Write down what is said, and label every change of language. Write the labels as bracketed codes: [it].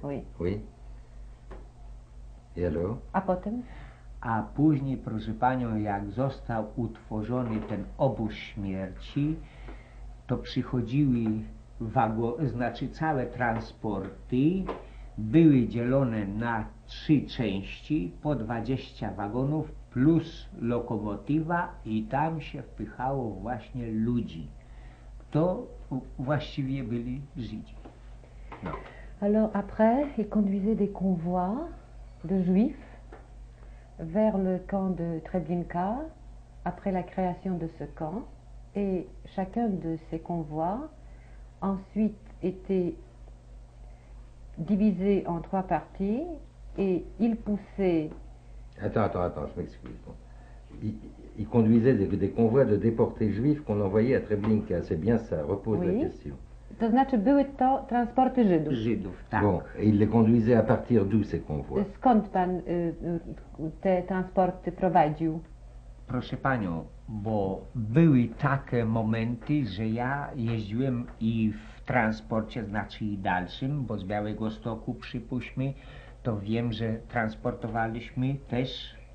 [fr] Oui. Oui. I alors? [pl] A potem? A później, proszę panią, jak został utworzony ten obóz śmierci, to przychodziły wagony, znaczy całe transporty, były dzielone na trzy części po 20 wagonów plus lokomotywa i tam się wpychało właśnie ludzi. To właściwie byli Żydzi. No. [fr] Alors après, ils conduisaient des convois de juifs vers le camp de Treblinka après la création de ce camp, et chacun de ces convois ensuite était divisé en trois parties et ils poussaient. Attends, je m'excuse. Bon. Ils conduisaient des convois de déportés juifs qu'on envoyait à Treblinka, c'est bien ça, repose oui. La question. [pl] To znaczy były to transporty Żydów. Żydów, tak. [fr] Bon, et ils les conduisaient à partir d'où ces convois? [pl] Skąd pan te transporty prowadził? Proszę panią, bo były takie momenty, że ja jeździłem i w transporcie, znaczy i dalszym, bo z Białegostoku przypuśćmy, to wiem, że transportowaliśmy też.